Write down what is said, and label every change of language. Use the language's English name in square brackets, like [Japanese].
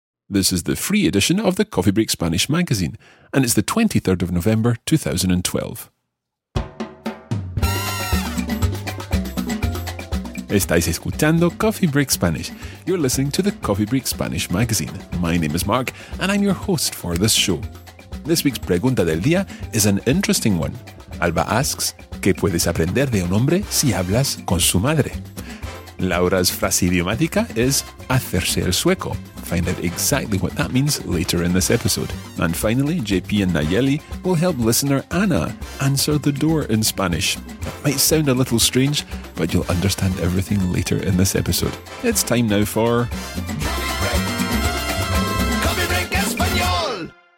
[English] This is the free edition of the Coffee Break Spanish magazine, and it's the 23rd of November, 2012. [Spanish] Estáis escuchando Coffee Break Spanish. [English] You're listening to the Coffee Break Spanish magazine. My name is Mark, and I'm your host for this show. This week's Pregunta del Día is an interesting one. Alba asks, [Spanish] ¿qué puedes aprender de un hombre si hablas con su madre? Laura's frase idiomática is, hacerse el sueco. [English] Find out exactly what that means later in this episode. And finally, JP and Nayeli will help listener Anna answer the door in Spanish. That might sound a little strange, but you'll understand everything later in this episode. It's time now for... Coffee Break Español!